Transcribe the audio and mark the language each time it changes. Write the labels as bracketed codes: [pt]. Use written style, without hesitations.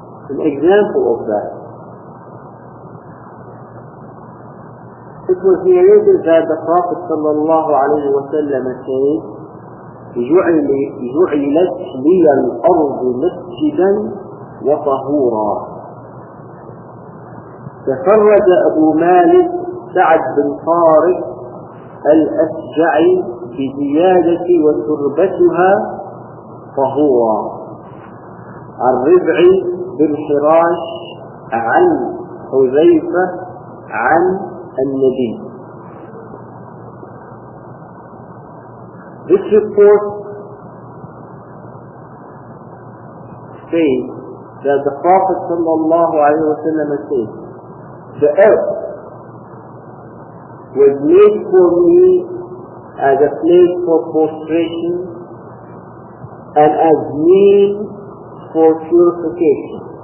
[en] An example of that. It was narrated that the Prophet sallallahu alayhi wa sallam said, [ar] جُعِلَتْ لِيَ الْأَرْضُ مَسْجِدًا وَطَهُورًا. تفرد أبو مالك سعد بن طارق الأسجعي بزيادة وتربتها طهوراً. الربعي بن حراش عن حذيفة عن النبي. [en] This report states that the Prophet sallallahu alayhi wa sallam said, the earth was made for me as a place for prostration and as means for purification.